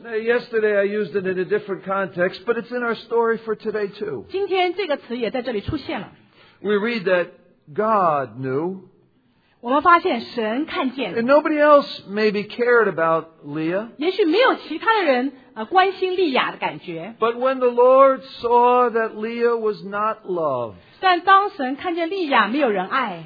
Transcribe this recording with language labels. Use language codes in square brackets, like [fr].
[en] Yesterday I used it in a different context, but it's in our story for today too. [zh] 今天这个词也在这里出现了。 [en] We read that God knew. [zh] 我们发现神看见了。 [en] And nobody else maybe cared about Leah. [zh] 也许没有其他的人关心莉亚的感觉。 [en] But when the Lord saw that Leah was not loved. [zh] 但当神看见莉亚没有人爱。